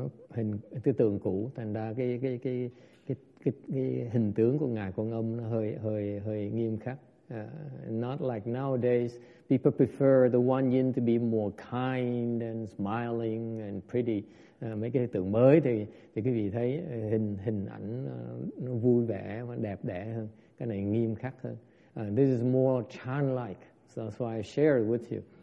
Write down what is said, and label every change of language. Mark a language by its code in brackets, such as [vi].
[vi] Hình tư tưởng cũ. Thành ra cái hình tướng của ngài Quan Âm nó hơi nghiêm khắc. [en] Not like nowadays, people prefer the Wan Yin to be more kind and smiling and pretty. [vi] Mấy cái tượng mới thì quý vị thấy hình ảnh nó vui vẻ và đẹp đẽ hơn. Cái này nghiêm khắc hơn. [en] This is more childlike, so that's why I share it with you.